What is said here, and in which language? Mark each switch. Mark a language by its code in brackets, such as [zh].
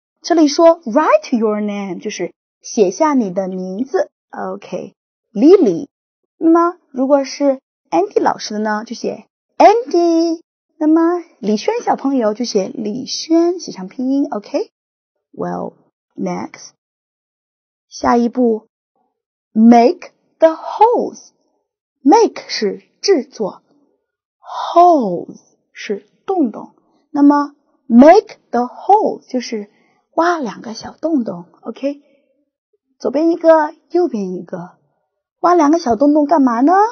[zh] 这里说 [en] write your name, [zh] 就是写下你的名字。 [en] OK, Lily. [zh] 那么如果是 Andy 老师的呢，就写Andy, 那么李轩小朋友就写李轩，写上拼音 ,OK? [en] Well, next. [zh] 下一步 [en] ,make the holes. [zh] Make 是制作 ,holes 是洞洞。那么 , [en] make the holes [zh] 就是挖两个小洞洞 ,OK? 左边一个，右边一个。挖两个小洞洞干嘛呢？